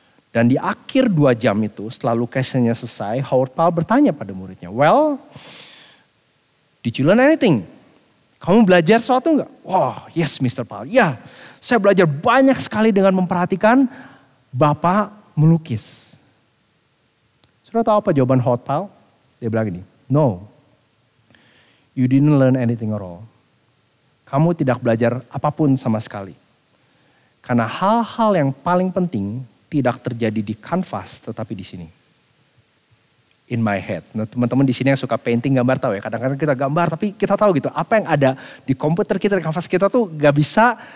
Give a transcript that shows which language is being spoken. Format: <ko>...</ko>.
<id>Dan di akhir 2 jam itu, setelah lukisannya selesai, Howard Pyle bertanya pada muridnya,</id> <en>well, did you learn anything?</en> <id>Kamu belajar sesuatu enggak? Wah,</id> <en>oh, yes Mr. Paul.</en> <id>Ya, saya belajar banyak sekali dengan memperhatikan Bapak melukis. Sudah tahu apa jawaban Howard Pyle? Dia bilang gini,</id> <en>no, you didn't learn anything at all.</en> <id>Kamu tidak belajar apapun sama sekali. Karena hal-hal yang paling penting tidak terjadi di kanvas tetapi di sini.</id> <en>In my head.</en> <id>Nah, teman-teman di sini yang suka painting gambar tahu ya. Kadang-kadang kita gambar tapi kita tahu gitu. Apa yang ada di komputer kita, di kanvas kita tuh gak bisa</id>